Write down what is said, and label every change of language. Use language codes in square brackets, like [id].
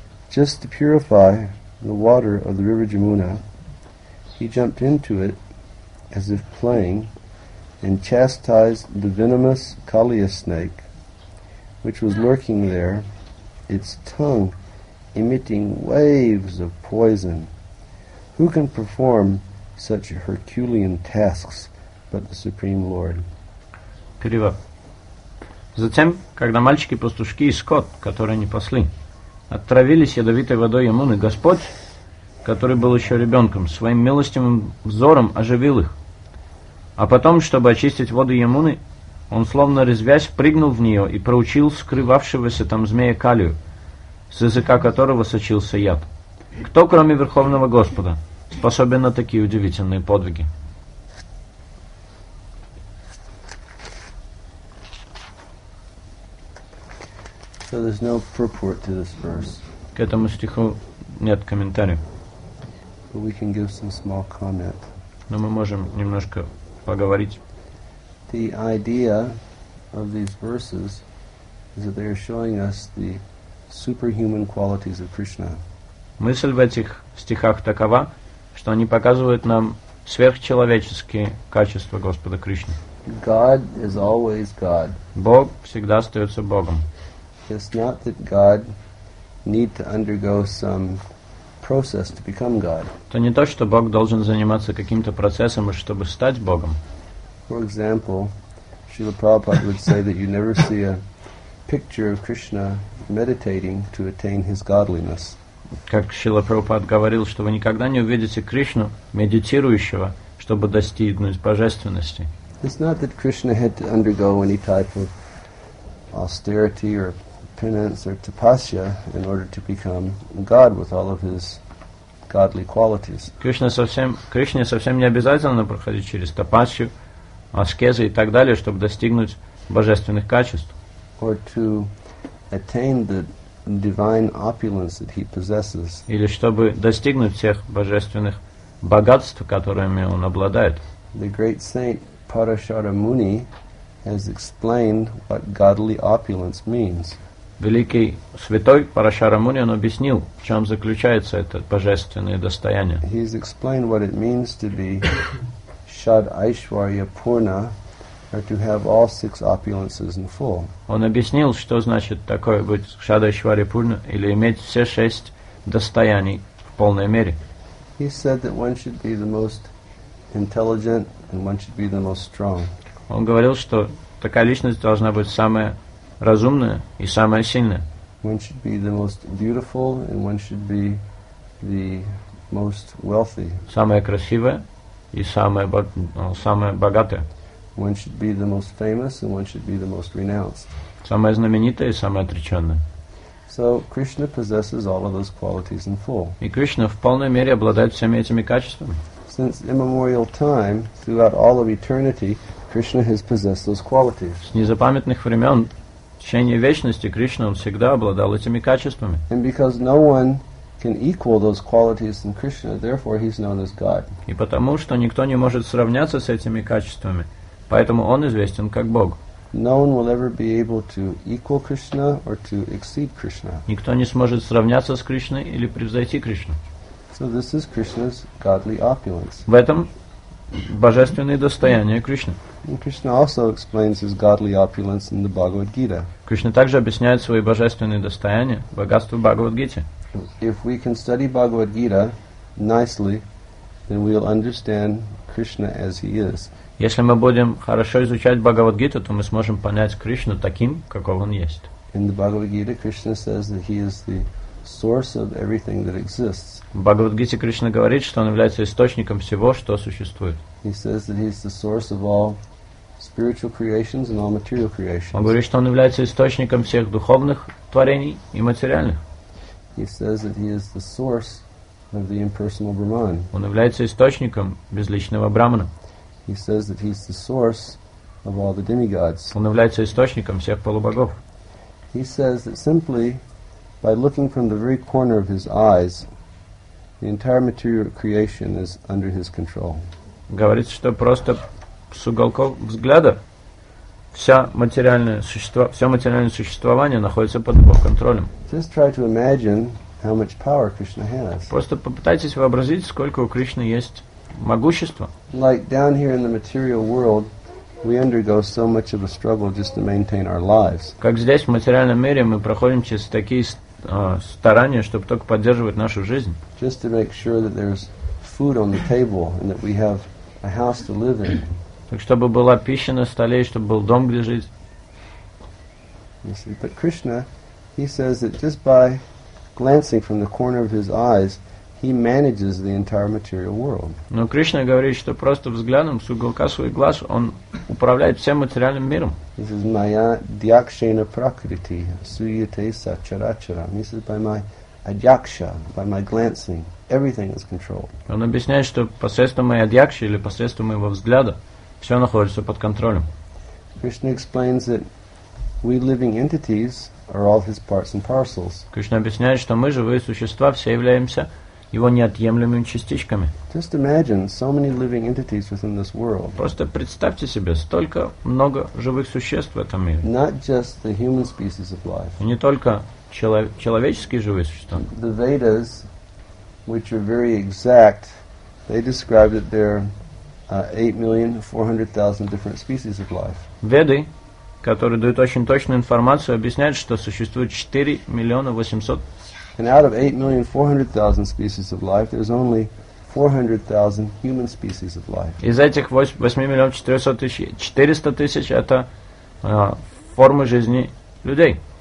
[en] just to purify the water of the river Jamuna, he jumped into it as if playing and chastised the venomous Kaliya snake, which was lurking there, its tongue emitting waves of poison. Who can perform such Herculean tasks but the Supreme Lord? [ru] Перевод. Затем, когда мальчики-пастушки и скот, которые не пасли, отравились ядовитой водой Ямуны, Господь, который был еще ребенком, своим милостивым взором оживил их. А потом, чтобы очистить воды Ямуны, он, словно резвясь, прыгнул в нее и проучил скрывавшегося там змея Калию, с языка которого сочился яд. Кто, кроме Верховного Господа, способен на такие удивительные подвиги? [en] So there's no purport to this verse. [ru] К этому стиху нет комментариев. [en] But we can give some small comment. [ru] Но мы можем немножко поговорить. [en] The idea of these verses is that they are showing us the superhuman qualities of Krishna. [ru] Мысль в этих стихах такова, что они показывают нам сверхчеловеческие качества Господа Кришны. [en] God is always God. [ru] Бог всегда остается Богом. [en] It's not that God need to undergo some process to become God. [ru] Это не то, что Бог должен заниматься каким-то процессом, чтобы стать Богом. [en] For example, Srila Prabhupada would say that you never see a picture of Krishna meditating to attain his godliness. [ru] Как Шрила Прабхупад говорил, что вы никогда не увидите Кришну, медитирующего, чтобы достигнуть божественности. [en] It's not that Krishna had to undergo any type of austerity or penance or tapasya in order to become God with all of his godly qualities. [ru] Кришне совсем не обязательно проходить через тапасию, аскезы и так далее, чтобы достигнуть божественных качеств. [en] Or to attain the divine opulence that he possesses. [ru] Или чтобы достигнуть всех божественных богатств, которыми он обладает. [en] The great saint Parashara Muni has explained what godly opulence means. [ru] Великий святой Парашара Муни, он объяснил, в чем заключается это божественное достояние. [en] He's explained what it means to be Shad Aishwarya Purna, or to have all six opulences in full. [ru] Он объяснил, что значит такое быть Shad Aishwarya Purna, или иметь все шесть достояний в полной мере. [en] He said that one should be the most intelligent and one should be the most strong. [ru] Он говорил, что такая личность должна быть самая разумная и самая сильная. [en] One should be the most beautiful and one should be the most wealthy. [ru] Самая красивая и самая богатая. [en] One should be the most famous and one should be the most renounced. [ru] Самая знаменитая и самая отреченная. [en] So Krishna possesses all of those qualities in full. [ru] И Кришна в полной мере обладает всеми этими качествами. [en] Since immemorial time, throughout all of eternity, Krishna has possessed those qualities. [ru] С незапамятных времен, в течение вечности, Кришна всегда обладал этими качествами. [en] And because no one can equal those qualities in Krishna, therefore he's known as God. [ru] И потому что никто не может сравняться с этими качествами, поэтому он известен как Бог. [en] No one will ever be able to equal Krishna or to exceed Krishna. [ru] Никто не сможет сравняться с Кришной или превзойти Кришну. [en] So this is Krishna's godly opulence. [ru] В этом божественные достояния Кришны. [en] Krishna also explains his godly opulence in the Bhagavad Gita. [ru] Кришна также объясняет свои божественные достояния, богатство в Бхагавад Гите. [en] If we can study Bhagavad Gita nicely, then we'll understand Krishna as he is. [ru] Если мы будем хорошо изучать Бхагавад Гиту, то мы сможем понять Кришну таким, каков он есть. [en] In the Bhagavad Gita, Krishna says that he is the source of everything that exists. [ru] В Бхагавад Гите Кришна говорит, что он является источником всего, что существует. [en] He says that he is the source of all spiritual creations and all material creations. [ru] Он говорит, что он является источником всех духовных творений и материальных. [en] He says that he is the source of the impersonal Brahman. [ru] Он является источником безличного Брахмана. [en] He says that he is the source of all the demigods. [ru] Он является источником всех полубогов. [en] He says that simply by looking from the very corner of his eyes, the entire material creation is under his control. [ru] Говорится, что просто с уголков взгляда все материальное существование находится под его контролем. [en] Just try to imagine how much power Krishna has. [ru] Просто попытайтесь вообразить, сколько у Кришны есть могущества. [en] Like down here in the material world, we undergo so much of a struggle just to maintain our lives. [ru] Как здесь в материальном мире мы проходим через такие старания, чтобы только поддерживать нашу жизнь. [en] Just to make sure that there's food on the table and that we have a house to live in. [ru] Так чтобы была пища на столе, чтобы был дом, где жить. [en] But Krishna, he says that just by glancing from the corner of his eyes, he manages the entire material world. [ru] Но Кришна говорит, что просто взглядом с уголка своих глаз он управляет всем материальным миром. [sa] This is Maya Adyakshena Prakriti Suyate Sacharacharam. [en] He says, by my Adyaksha, by my glancing, everything is controlled. [ru] Он объясняет, что посредством моей Адьякши или посредством моего взгляда все находится под контролем. [en] Krishna explains that we living entities are all his parts and parcels. [ru] Кришна объясняет, что мы, живые существа, все являемся его неотъемлемыми частичками. [en] Just imagine so many living entities within this world. [ru] Просто представьте себе, столько много живых существ в этом мире. [en] Not just the human species of life. [ru] Не только человеческие живые существа. [en] The Vedas, which are very exact, they describe that there are 8,400,000 different species of life. [ru] Веды, которые дают очень точную информацию, объясняют, что существует 4,800,000. [en] And out of 8,400,000 species of life, there's only 400,000 human species of life. [ru] Из этих 8,400,000 это формы жизни людей.